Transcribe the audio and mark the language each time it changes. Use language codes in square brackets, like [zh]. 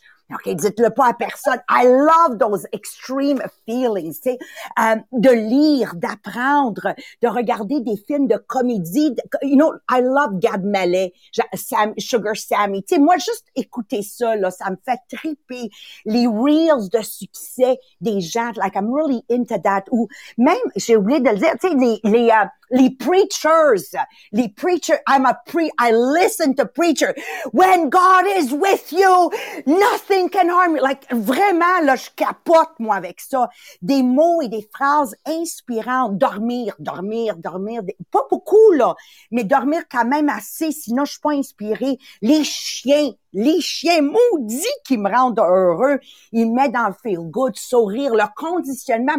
[fr] OK, dites-le pas à personne. [en] I love those extreme feelings, [fr] tu sais. De lire, d'apprendre, de regarder des films de comédie. [en] You know, I love Gad Mallet, Sugar Sammy. [fr] Tu sais, moi, juste écouter ça, là, ça me fait triper. Les reels de succès des gens, [en] like, I'm really into that. [fr] Ou même, j'ai oublié de le dire, tu sais, les preachers, [en] I listen to preachers. When God is with you, nothing can harm you. [fr] Like, vraiment, là, je capote, moi, avec ça. Des mots et des phrases inspirantes. Dormir. Pas beaucoup, là. Mais dormir quand même assez, sinon je suis pas inspirée. Les chiens maudits qui me rendent heureux, ils m'aident dans le feel good, sourire, le conditionnement.